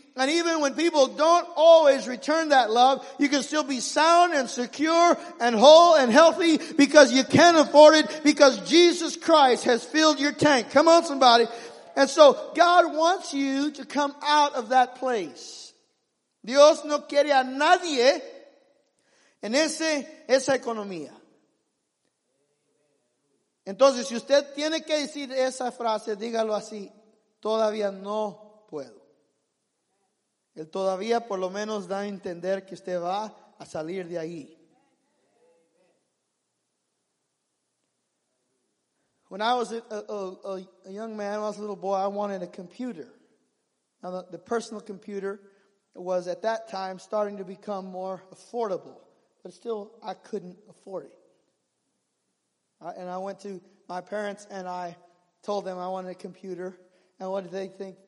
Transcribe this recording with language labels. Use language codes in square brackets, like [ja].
[en] And even when people don't always return that love, you can still be sound and secure and whole and healthy because you can't afford it, because Jesus Christ has filled your tank. Come on, somebody. And so God wants you to come out of that place. [es] Dios no quiere a nadie en esa economía. Entonces, si usted tiene que decir esa frase, dígalo así. Todavía no puedo. Él todavía por lo menos da a entender que usted va a salir de ahí. [en] When I was a young man, when I was a little boy, I wanted a computer. Now the personal computer was at that time starting to become more affordable. But still, I couldn't afford it. And I went to my parents and I told them I wanted a computer. And what did they think?